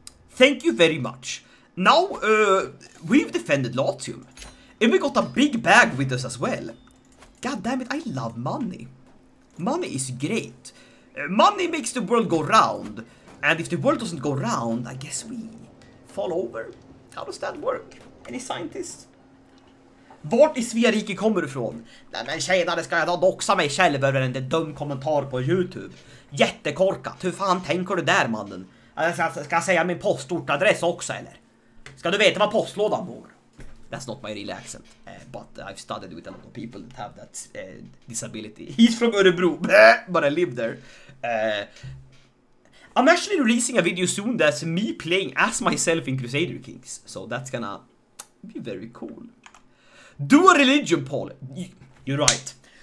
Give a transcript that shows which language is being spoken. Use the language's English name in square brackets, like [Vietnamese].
[English] Thank you very much. Now, we've defended Latium. And we got a big bag with us as well. God damn it, I love money. Money is great. Money makes the world go round. And if the world doesn't go round, I guess we fall over. How does that work? Any scientists? [Swedish] Vart i Sverige kommer du ifrån? Nej men tjenare, ska jag doxa mig själv över en dum kommentar på YouTube? Jättekorkat, hur fan tänker du där mannen? Ska jag säga min postortadress också eller? Ska du veta var postlådan bor? That's not my real accent. [English] But I've studied with a lot of people that have that disability. He's from Örebro, but I live there. I'm actually releasing a video soon that's me playing as myself in Crusader Kings. So that's gonna be very cool. Do a religion, Paul. You're right.